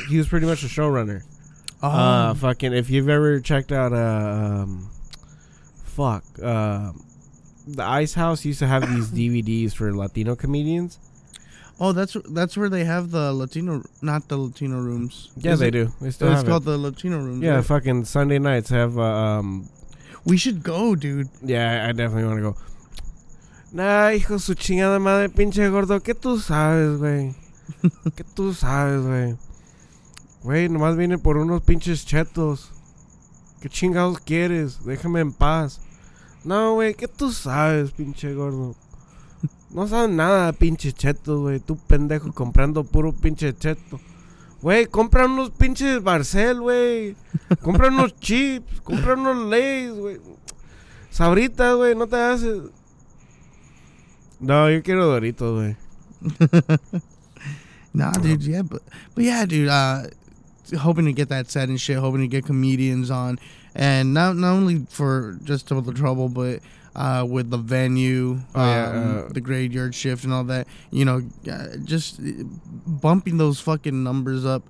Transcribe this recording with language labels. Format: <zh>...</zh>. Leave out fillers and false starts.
<en>He was pretty much a showrunner. Fucking, if you've ever checked out, the Ice House used to have these DVDs for Latino comedians. Oh, that's where they have the Latino, not the Latino rooms. Yeah, is they it? Do. They still it's have called it. The Latino rooms. Yeah, right? Fucking Sunday nights have, we should go, dude. Yeah, I definitely want to go.</en> <es>Nah, hijo su chingada madre, pinche gordo. ¿Qué tú sabes, güey? ¿Qué tú sabes, güey? Güey, nomás vine por unos pinches chetos. ¿Qué chingados quieres? Déjame en paz. No, güey, ¿qué tú sabes, pinche gordo? No sabes nada, pinche chetos, güey. Tú, pendejo, comprando puro pinche cheto. Güey, compra unos pinches Barcel, güey. Compra unos chips. Compra unos Lays, güey. Sabritas, güey, no te haces. No, yo quiero Doritos, güey.</es> <en>Nah, dude, yeah, but yeah, dude, hoping to get that set and shit, hoping to get comedians on, and not only for just the trouble, but with the venue, the graveyard shift and all that, you know, just bumping those fucking numbers up.</en>